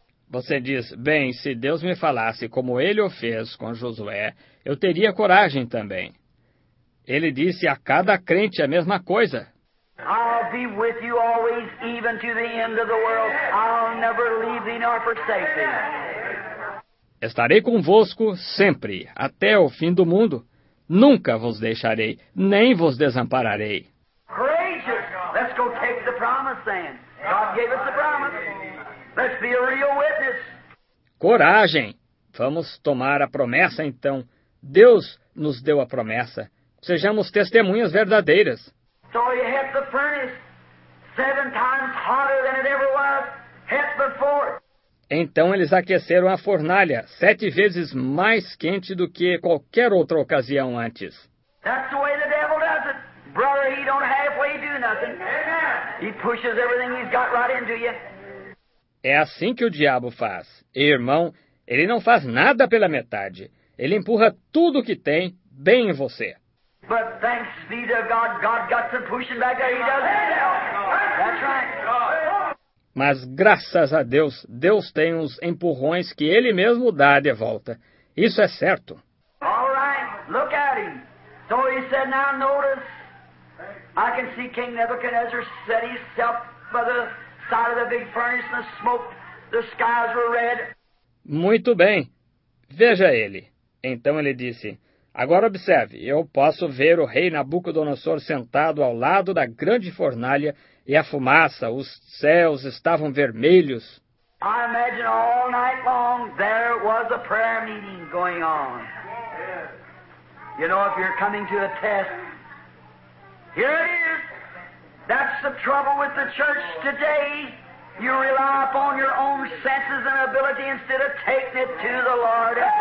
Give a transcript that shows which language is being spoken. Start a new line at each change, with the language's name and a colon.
Portuguese: Você diz, bem, se Deus me falasse como ele o fez com Josué, eu teria coragem também. Ele disse a cada crente a mesma coisa.
English: I'll be with you always, even to the end of the world. I'll never leave thee nor forsake thee.
Portuguese: Estarei convosco sempre, até o fim do mundo. Nunca vos deixarei, nem vos desampararei.
English: Courageous. Let's go take the promise then. God gave us the promise. Let's be a real witness.
Portuguese: Coragem. Vamos tomar a promessa então. Deus nos deu a promessa. Sejamos testemunhas verdadeiras.
English: So he hit the furnace seven times hotter than it ever was hit before.
Portuguese: Então eles aqueceram a fornalha sete vezes mais quente do que qualquer outra ocasião antes.
English: That's the way the devil does it. Brother, he don't halfway do nothing. He pushes everything he's got right into you.
Portuguese: É assim que o diabo faz. E, irmão, ele não faz nada pela metade. Ele empurra tudo o que tem bem em você.
English: But thanks be to God, God got some pushing back there. He does it. That's right.
Portuguese: Mas graças a Deus, Deus tem uns empurrões que Ele mesmo dá de volta. Isso é certo.
English: All right, look at him. So he said, now notice, I can see King Nebuchadnezzar set himself by the side of the big furnace and the smoke, the skies were red.
Portuguese: Muito bem, veja ele. Então ele disse, agora observe, eu posso ver o rei Nabucodonosor sentado ao lado da grande fornalha e a fumaça, os céus estavam vermelhos.
English: I imagine all night long there was a prayer meeting going on. You know, if you're coming to a test, here it is. That's the trouble with the church today. You rely upon your own senses and ability instead of taking it to the Lord.